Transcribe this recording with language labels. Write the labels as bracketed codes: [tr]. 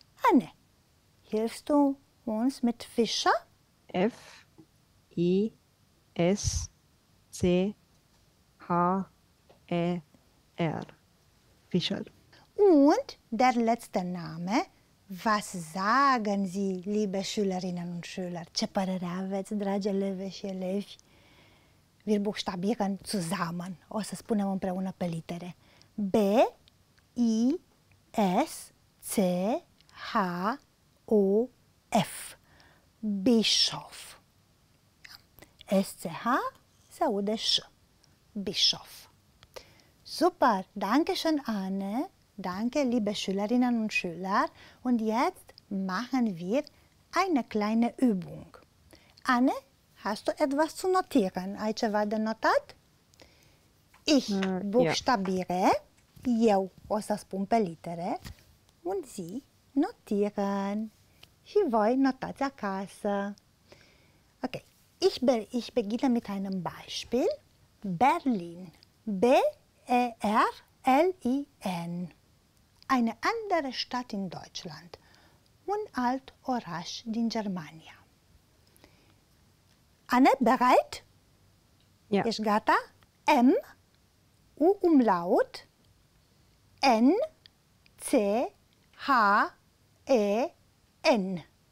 [de] Anne, hilfst du uns mit Fischer? F-I-S-C-H-E-R. Fischer. Und der letzte Name. Was sagen Sie, liebe Schülerinnen und Schüler? [ro] Ce părere aveți, dragi elevi și elevi? [de] Wir buchstabieren zusammen. [ro] O să spunem împreună pe litere. [de] B-I-S-C-H-O-F. Bischof. S-C-H [ro] se aude [de] Ș. Bischof. Super! Danke schön, Anne. Danke, liebe Schülerinnen und Schüler. Und jetzt machen wir eine kleine Übung. Anne, hast du etwas zu notieren? [ro] Ai ceva de notat? [de] Ich buchstabiere. Ja. [ro] Eu o să spun pe litere. [de] Und Sie notieren. [ro] Și voi notați acasă. Ok. [de] Ich beginne mit einem Beispiel. Berlin. B-E-R-L-I-N. Eine andere Stadt in Deutschland. [ro] Un alt oraș din Germania. [de] Anne, bereit? Ja. [ro] Ești gata? M, U umlaut, N, C, H, E, N.